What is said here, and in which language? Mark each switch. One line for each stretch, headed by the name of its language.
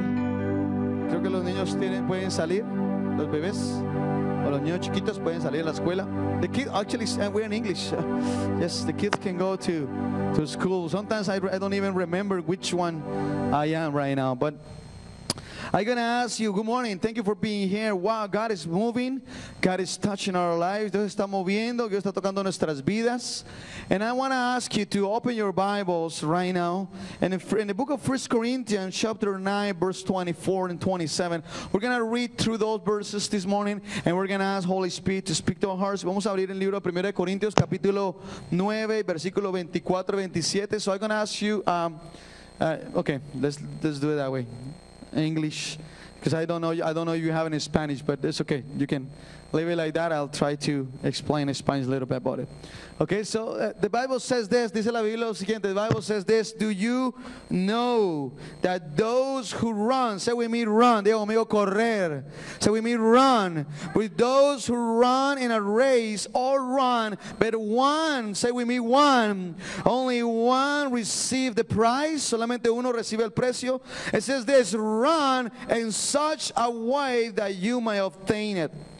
Spanish: Creo que los niños pueden salir, los bebés o los niños chiquitos pueden salir a la escuela.
English: The kids actually, we're in English. Yes, the kids can go to school. Sometimes I don't even remember which one I am right now, but I'm going to ask you, good morning, thank you for being here. Wow, God is moving, God is touching our lives.
Spanish: Dios está moviendo, Dios está tocando nuestras vidas.
English: And I want to ask you to open your Bibles right now. And in the book of 1 Corinthians chapter 9, verse 24 and 27, we're going to read through those verses this morning, and we're going to ask Holy Spirit to speak to our hearts.
Spanish: Vamos a abrir el libro de 1 Corintios, capítulo 9, versículo 24, 27.
English: So I'm going to ask you, let's do it that way. English, because I don't know if you have any Spanish, but it's okay, you can leave it like that. I'll try to explain in Spanish a little bit about it. Okay, so the Bible says this,
Spanish: dice la Biblia lo siguiente,
English: the Bible says this, do you know that those who run, say with me run,
Spanish: digo amigo correr,
English: say with me run, with those who run in a race all run, but one, say with me one, only one receive the prize,
Spanish: solamente uno recibe el precio,
English: it says this, run in such a way that you may obtain it.